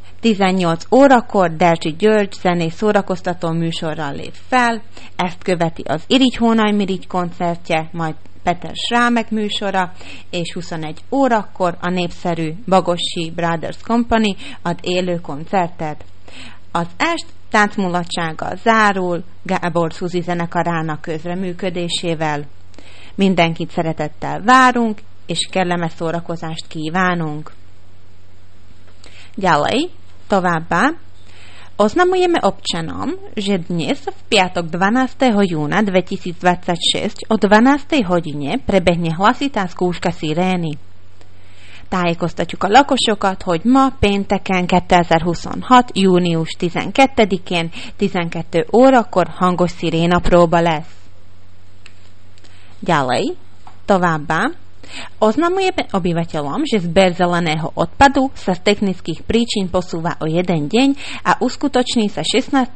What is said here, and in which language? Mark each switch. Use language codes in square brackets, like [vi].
[hu] 18 órakor Derzsi György zenés szórakoztató műsorral lép fel, ezt követi az Irigy Hónaj Mirigy koncertje, majd Peter Srámek műsora, és 21 órakor a népszerű Bagoshi Brothers Company ad élő koncertet. Az est táncmulatsággal zárul Gábor Suzi zenekarának közreműködésével. Mindenkit szeretettel várunk, és kellemes szórakozást kívánunk! [sk] Ďalej, [hu] továbbá, [sk] oznamujeme občanom, že dnes v piatok 12. júna 2026 o 12. hodine prebehne hlasitá skúška sirény. [hu] Tájékoztatjuk a lakosokat, hogy ma pénteken 2026. június 12-én 12 órakor hangos siréna próba lesz. [sk] Ďalej, [hu] továbbá, [sk] oznamujeme obyvateľom, že zber zeleného odpadu sa z technických príčin posúva o jeden deň a uskutoční sa 16.